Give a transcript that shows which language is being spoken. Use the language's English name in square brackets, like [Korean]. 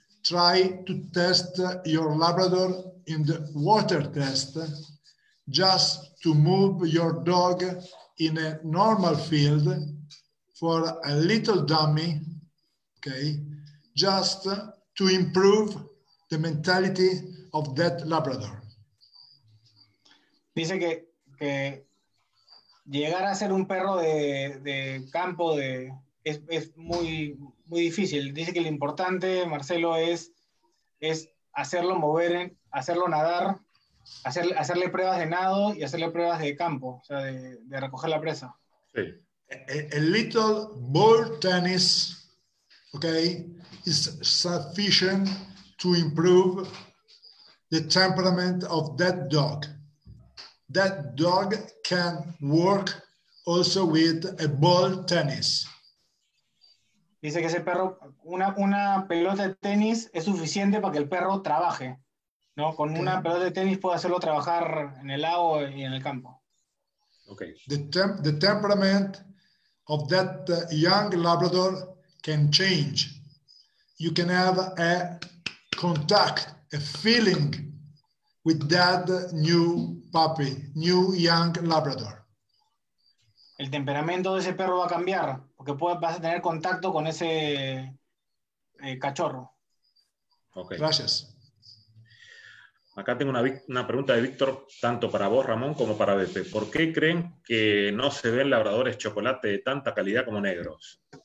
[English] Try to test your Labrador in the water test, just to move your dog in a normal field for a little dummy, okay? Just to improve the mentality of that Labrador. [Spanish] Dice que llegar a ser un perro de campo es muy, muy difícil. Dice que lo importante, Marcelo, es hacerlo mover, hacerlo nadar, hacerle pruebas de nado y hacerle pruebas de campo, o sea, de recoger la presa. Sí. [English] A little ball tennis, okay, is sufficient to improve the temperament of that dog. That dog can work also with a ball tennis. [Spanish] Dice que ese perro, una pelota de tenis es suficiente para que el perro trabaje, ¿no? Con okay. Una pelota de tenis puede hacerlo trabajar en el lago y en el campo. Okay. [English] The temperament of that young Labrador can change. You can have a contact, a feeling with that new puppy, new young Labrador. [Spanish] El temperamento de ese perro va a cambiar porque vas a tener contacto con ese cachorro. Okay. Gracias. Acá tengo una pregunta de Víctor, tanto para vos, Ramón, como para Beppe. ¿Por qué creen que no se ven labradores chocolate de tanta calidad como negros?